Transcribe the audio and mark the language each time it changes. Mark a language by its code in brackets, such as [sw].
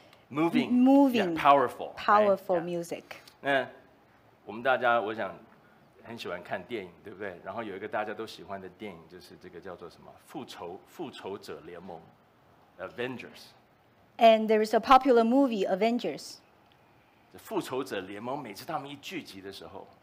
[en] moving, yeah, powerful yeah. music。 [zh] 那我们大家，我想很喜欢看电影，对不对？然后有一个大家都喜欢的电影，就是这个叫做什么《复仇者联盟》。 [en] Avengers. And there is a popular movie, Avengers. [zh] 复仇者联盟每次他们一聚集的时候